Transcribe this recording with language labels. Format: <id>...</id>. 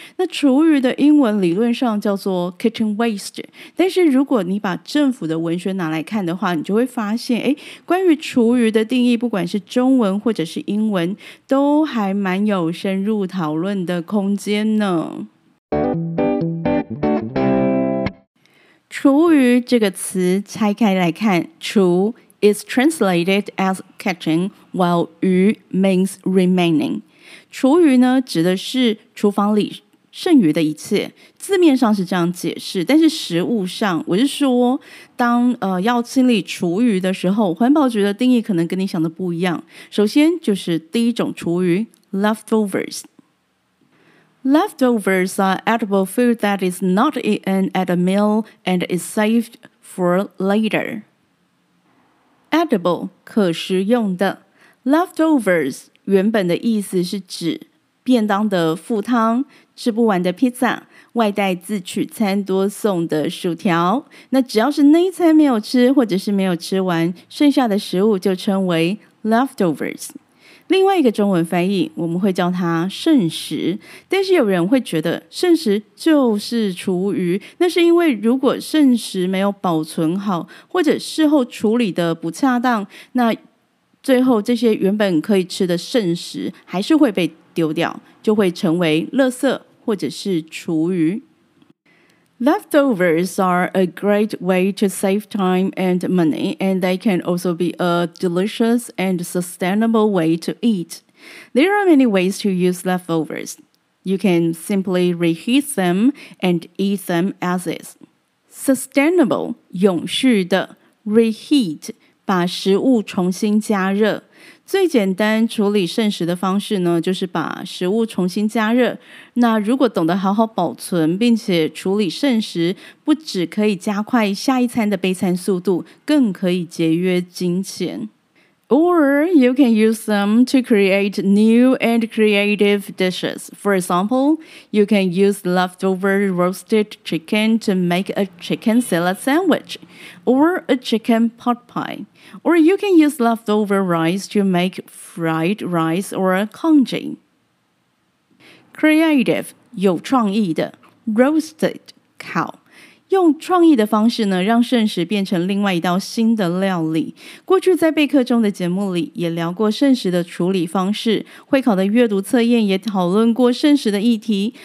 <zh>那厨余的英文理论上叫做 kitchen waste， 但是如果你把政府的文学拿来看的话，你就会发现，关于厨余的定义，不管是中文或者是英文，都还蛮有深入讨论的空间呢。厨余这个词拆开来看，</zh> <en>厨 is translated as kitchen, while 余 means remaining.</en> <zh>厨余呢，指的是厨房里剩余的一切，字面上是这样解释，但是实物上，我是说，当要清理厨余的时候，环保局的定义可能跟你想的不一样。首先就是第一种厨余 leftovers。</zh> <en>Leftovers are edible food that is not eaten at a meal and is saved for later.</en> <zh>Edible, 可食用的。Leftovers, 原本的意思是指便当的副汤、吃不完的披萨、外带自取餐桌送的薯条。那只要是那一餐没有吃或者是没有吃完，剩下的食物就称为 leftovers。另外一个中文翻译，我们会叫它剩食，但是有人会觉得剩食就是厨余，那是因为如果剩食没有保存好，或者事后处理的不恰当，那最后这些原本可以吃的剩食还是会被丢掉，就会成为垃圾或者是厨余。</zh> <en>Leftovers are a great way to save time and money, and they can also be a delicious and sustainable way to eat. There are many ways to use leftovers. You can simply reheat them and eat them as is.</en> <zh>Sustainable, 永续的 reheat, 把食物重新加热。最简单处理剩食的方式呢，就是把食物重新加热。那如果懂得好好保存并且处理剩食，不只可以加快下一餐的备餐速度，更可以节约金钱。</zh> <en>Or you can use them to create new and creative dishes. For example, you can use leftover roasted chicken to make a chicken salad sandwich or a chicken pot pie. Or you can use leftover rice to make fried rice or congee.</en> <zh>Creative, 有创意的 roasted, 烤用创意的方式呢，让膳食变成另外一道新的料理。过去在备课中的节目里也聊过膳食的处理方式，会考的阅读测验也讨论过膳食的议题。</zh>